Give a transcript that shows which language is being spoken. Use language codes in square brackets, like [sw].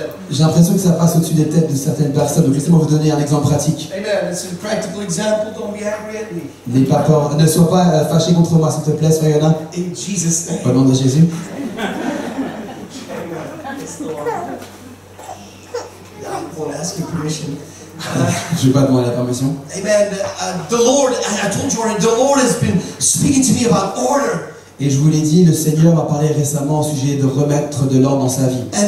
[fr] J'ai l'impression que ça passe au-dessus des têtes de certaines personnes. Donc laissez-moi vous donner un exemple pratique. [en] Amen. It's a practical example. Don't be angry at me. [fr] Ne sois pas fâché contre moi, s'il te plaît, soyez là. [en] In Jesus' name. [fr] Au nom de Jésus. [en] Amen. I won't ask you permission. [fr] Je vais pas demander la permission. [en] Amen. The Lord, I told you, the Lord has been speaking to me about order. [fr] Et je vous l'ai dit, le Seigneur m'a parlé récemment au sujet de remettre de l'ordre dans sa vie.